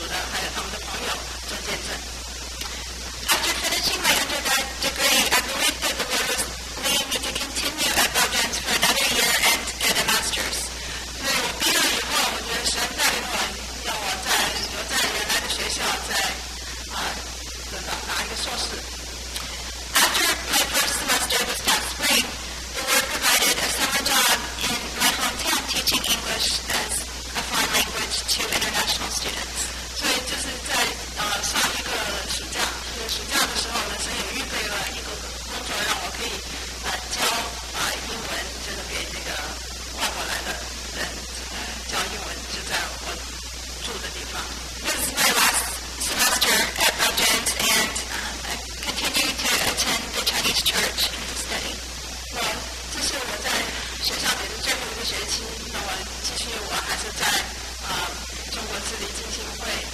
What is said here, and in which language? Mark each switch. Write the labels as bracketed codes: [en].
[zh] 还有他们的朋友做见证。 [en] After finishing my undergrad degree, I believe that the Lord was leading me to continue at Bowdoin's for another year and get a master's. [zh] 所以我毕业以后，我觉得神在用我，让我在留在原来的学校，在拿一个硕士。 [en] After my first semester this past spring, the Lord provided a summer job in my hometown teaching English as a foreign language to international students. [zh] 所以就是在上一个暑假。暑假的时候呢，神也预备了一个工作，让我可以教英文，就是给那个外国来的人教英文，就在我住的地方。 [en] This is my last semester at Bowdoin, and I continue to attend the Chinese church and to study. [zh] 那这是我在学校里的最后一个学期，那我继续，我还是在中国自立基金会。